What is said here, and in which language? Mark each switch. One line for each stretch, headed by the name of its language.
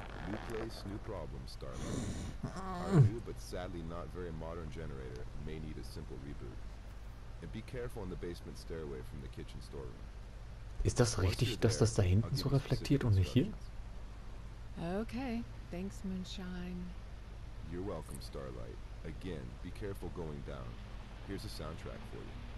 English: New place, new problem, Starling. Our new but sadly not very modern generator may need a simple reboot. And be careful in the basement stairway from the kitchen storeroom.
German: Ist das richtig, dass das da hinten so reflektiert und nicht hier?
English: Okay, thanks, Moonshine. You're welcome, Starlight. Again, be careful going down. Here's a soundtrack for you.